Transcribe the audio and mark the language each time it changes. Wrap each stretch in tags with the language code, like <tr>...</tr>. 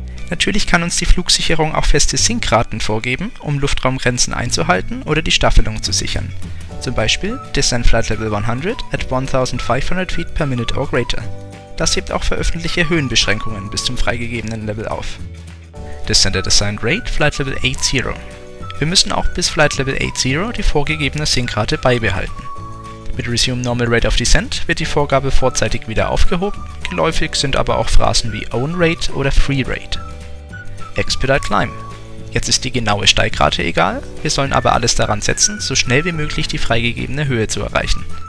<de>Natürlich kann uns die Flugsicherung auch feste Sinkraten vorgeben, um Luftraumgrenzen einzuhalten oder die Staffelung zu sichern. Zum Beispiel</de> <en>Descent Flight Level 100 at 1500 feet per minute or greater.</en> <de>Das hebt auch für öffentliche Höhenbeschränkungen bis zum freigegebenen Level auf.</de> <en>Descent at Assigned Rate Flight Level 80.</en> <de>Wir müssen auch bis Flight Level 80 die vorgegebene Sinkrate beibehalten. Mit</de> <en>Resume Normal Rate of Descent</en> <de>wird die Vorgabe vorzeitig wieder aufgehoben, geläufig sind aber auch Phrasen wie</de> <en>Own Rate</en> <de>oder</de> <en>Free Rate. Expedite Climb.</en> <de>Jetzt ist die genaue Steigrate egal, wir sollen aber alles daran setzen, so schnell wie möglich die freigegebene Höhe zu erreichen.</de>